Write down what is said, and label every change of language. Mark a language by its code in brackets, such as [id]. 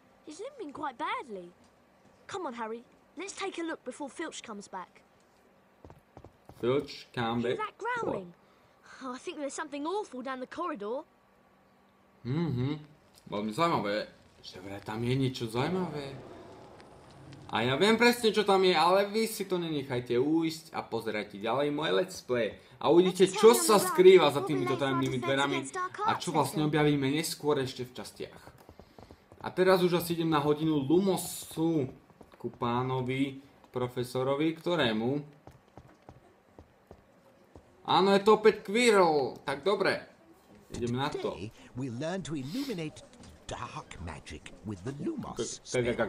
[en] He's limping quite badly. Come on, Harry. Let's take a look before Filch comes back. Filch, come back. Hear that growling? Oh, I think there's something awful down the corridor. [sk] Veľmi zaujímavé, že vraj tam je niečo zaujímavé. A ja viem presne, čo tam je, ale vy si to nenechajte uísť a pozerajte ďalej moje Let's Play. A uvidíte, čo sa skrýva za týmito tajemnými dverami a čo vlastne objavíme neskôr ešte v častiach. A teraz už asi idem na hodinu Lumosu ku pánovi profesorovi, ktorému... Áno, je to opäť Quirrell, tak dobre. Ideme na to. [en] We learn to illuminate dark magic with the Lumos spell.